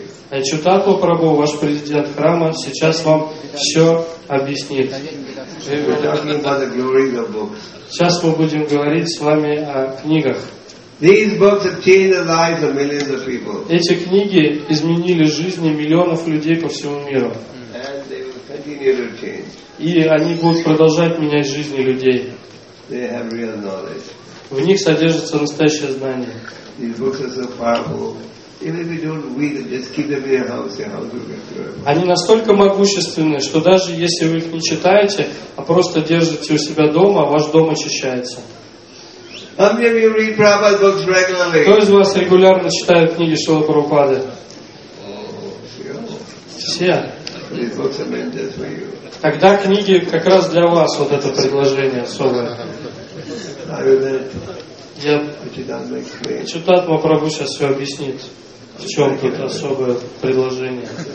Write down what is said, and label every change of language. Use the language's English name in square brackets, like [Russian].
[Russian] Ачютату Прабху, ваш президент храма, сейчас вам все объяснит. Сейчас мы будем говорить с вами о книгах. [English] These books have changed the lives of millions of people. [Russian] Эти книги изменили жизни миллионов людей по всему миру. [English] And they will continue to change. [Russian] И они будут продолжать менять жизни людей. [English] They have real knowledge. [Russian] В них содержится настоящее знание. [English] These books are so powerful. Even if you don't read them, just keep them in your house. Your house will get through. [Russian] Они настолько могущественны, что даже если вы их не читаете, а просто держите у себя дома, ваш дом очищается. [English] How many of you read Prabhupada's books regularly? [Russian] Кто из вас регулярно читает книги Шрилы Прабхупады? Все. [English] These books are meant just for you. [Russian] Тогда книги как раз для вас, вот это предложение особое. Я Чудатма Прабху сейчас все объяснит, в чем тут особое предложение.